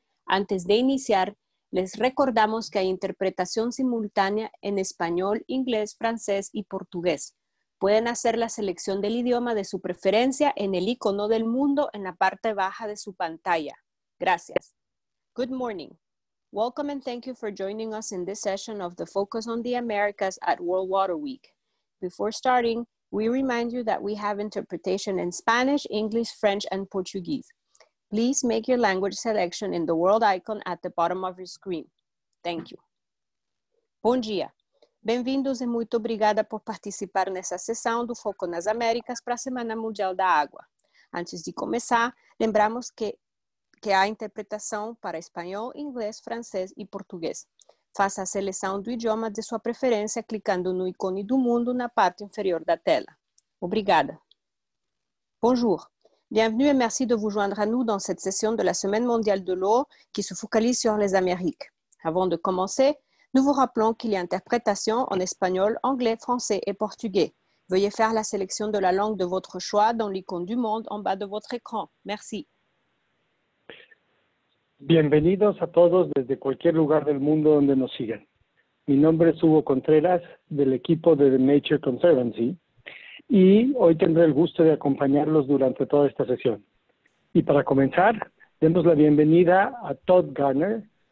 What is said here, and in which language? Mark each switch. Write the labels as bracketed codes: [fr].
[es] Antes de iniciar, les recordamos que hay interpretación simultánea en español, inglés, francés y portugués. Pueden hacer la selección del idioma de su preferencia en el icono del mundo en la parte baja de su pantalla. Gracias. [en] Good morning. Welcome and thank you for joining us in this session of the Focus on the Americas at World Water Week. Before starting, we remind you that we have interpretation in Spanish, English, French, and Portuguese. Please make your language selection in the world icon at the bottom of your screen. Thank you. [pt] Bom dia. Bem-vindos e muito obrigada por participar nessa sessão do Foco nas Américas para a Semana Mundial da Água. Antes de começar, lembramos que há interpretação para espanhol, inglês, francês e português. Faça a seleção do idioma de sua preferência clicando no ícone do mundo na parte inferior da tela. Obrigada. [fr] Bonjour. Bienvenue et merci de vous joindre à nous dans cette session de la Semaine Mondiale de l'Eau qui se focalise sur les Amériques. Avant de commencer, nous vous rappelons qu'il y a interprétation en espagnol, anglais, français et portugais. Veuillez faire la sélection de la langue de votre choix dans l'icône du monde en bas de votre écran. Merci. [es] Bienvenidos a todos desde cualquier lugar del mundo donde nos sigan. Mi nombre es Hugo Contreras, del equipo de The Nature Conservancy, y hoy tendré el gusto de acompañarlos durante toda esta sesión. Y para comenzar, demos la bienvenida a Todd Garner.